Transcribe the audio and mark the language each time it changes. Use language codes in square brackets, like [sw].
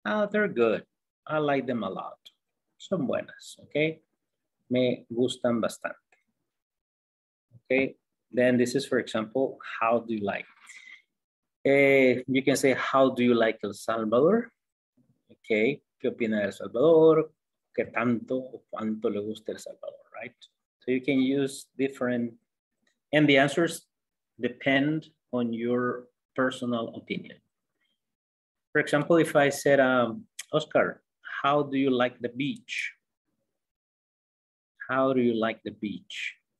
[en] They're good. I like them a lot. [es] Son buenas, [en] okay? [es] Me gustan bastante. [en] Okay, then this is, for example, how do you like? You can say, how do you like El Salvador? [es] Okay, ¿qué opina de El Salvador? ¿Qué tanto o cuánto le gusta El Salvador, right? [en] So you can use different, and the answers depend on your personal opinion. For example, if I said, Oscar, how do you like the beach? How do you like the beach?